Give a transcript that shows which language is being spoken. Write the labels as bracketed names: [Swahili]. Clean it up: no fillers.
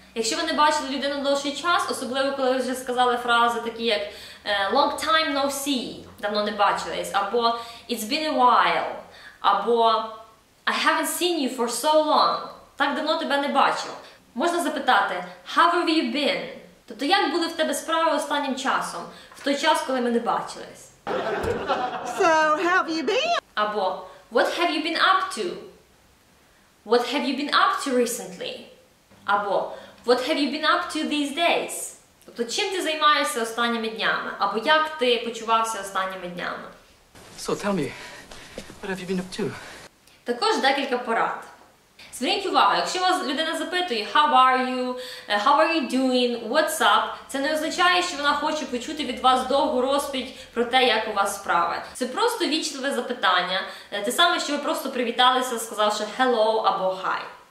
[Ukrainian] Якщо ви не бачили людину довший час, особливо коли ви вже сказали фрази такі як [English] long time no see, [Ukrainian] давно не бачились, або [English] it's been a while, [Ukrainian] або [English] I haven't seen you for so long, [Ukrainian] так давно тебе не бачив. Можна запитати [English] how have you been? [Ukrainian] Тобто як були в тебе справи останнім часом, в той час, коли ми не бачились? [English] So, how have you been? Або what have you been up to? What have you been up to recently? Або what have you been up to these days? [Ukrainian] Тобто чим ти займаєшся останніми днями? Або як ти почувався останніми днями? [English] So, tell me, what have you been up to? [Ukrainian] Також декілька порад. Зверніть увагу, якщо вас людина запитує [English] how are you doing, what's up, [Ukrainian] це не означає, що вона хоче почути від вас довгу розповідь про те, як у вас справи. Це просто ввічливе запитання, те саме, що ви просто привіталися, сказавши hello або hi.